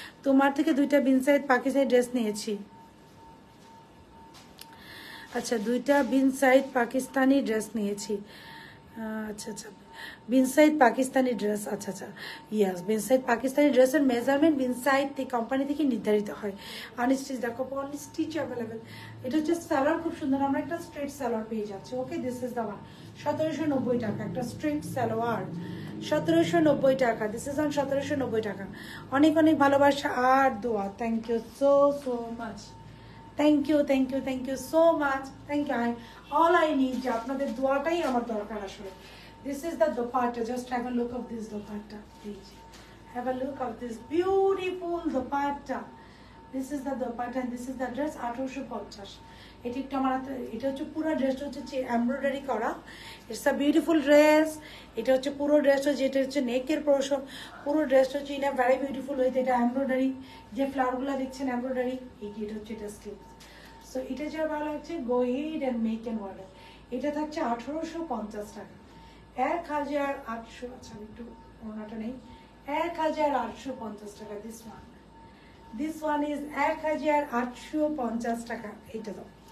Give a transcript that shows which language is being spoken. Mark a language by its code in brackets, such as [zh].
[bn] তোমার থেকে দুইটা বিন সাইড পাখি সাইড ড্রেস নিয়েছি, আচ্ছা দুইটা বিন সাইড পাকিস্তানি ড্রেস নিয়েছি, আচ্ছা আচ্ছা বিন সাইড পাকিস্তানি ড্রেস, আচ্ছা আচ্ছা ইয়াস, বিন সাইড পাকিস্তানি ড্রেসের মেজারমেন্ট বিন সাইড কোম্পানি থেকে নির্ধারিত হয়, আনস্টিচ দেখো, আনস্টিচ অ্যাভেলেবেল, এটা হচ্ছে সালোয়ার, খুব সুন্দর আমরা একটা স্ট্রেট সালোয়ার পেয়ে যাচ্ছি, ওকে, [en] this is the one, [bn] 1790 টাকা একটা স্ট্রেট সালোয়ার, 1790 টাকা, [en] this is on [bn] 1790 টাকা, অনেক অনেক ভালোবাসা আর দোয়া, [en] thank you so so much, thank you so much, thank you, all I need [bn] যে আপনাদের দোয়াটাই আমার দরকার আসলে। [en] This is the dupatta, just have a look of this dupatta, please. Have a look of this beautiful dupatta. This is the dupatta and this is the dress, 1850. [bn] এটি একটু আমার হাতে, এটা হচ্ছে পুরো ড্রেসটা হচ্ছে এমব্রয়ডারি করা, [en] it's a beautiful dress, [bn] এটা হচ্ছে পুরো ড্রেসটা, যেটা হচ্ছে নেকের পোর্শন, পুরো ড্রেসটা হচ্ছে ইন এ ভেরি বিউটিফুল হয়েছে, এটা এমব্রয়ডারি, যে ফ্লাওয়ারগুলো দেখছেন এমব্রয়ডারি, এই যে এটা হচ্ছে এটা স্লিভস, সো এটা যা ভালো হচ্ছে [en] go head and make an order, [bn] এটা থাকছে 1850 টাকা, 1800, আচ্ছা আমি একটু ওনাটা নেই, 1850 টাকা, [en] this one is [bn] 1850 টাকা, এইটা দাও,